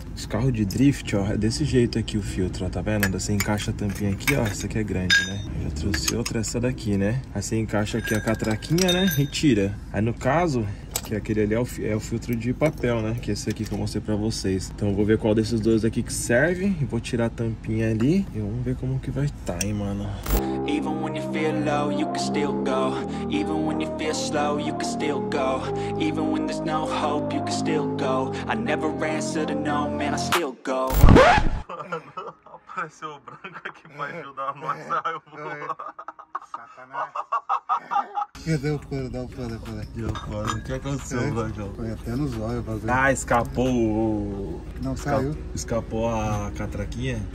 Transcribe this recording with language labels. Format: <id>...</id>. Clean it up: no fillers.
<pt>Os carros de drift, ó, é desse jeito aqui o filtro, ó, tá vendo? Você encaixa a tampinha aqui, ó, essa aqui é grande, né? Eu já trouxe outra essa daqui, né? Aí você encaixa aqui a catraquinha, né, e tira. Aí no caso... Que aquele ali é o filtro de papel, né? Que é esse aqui que eu mostrei pra vocês. Então eu vou ver qual desses dois aqui que serve. E vou tirar a tampinha ali. E vamos ver como que vai estar, hein, mano.</pt> <en>Even when you feel low, you can still go. Even when you feel slow, you can still go. Even when there's no hope, you can still go. I never answer to no, man, I still go.</en> <pt>Apareceu o Branco aqui pra ajudar a nossa Sacanagem. Cadê o pano? Dá o pano, Deu o pano. O que aconteceu, Branco? Foi até nos olhos, bagulho. Ah, escapou o... Não, saiu. Escapou a catraquinha?</pt>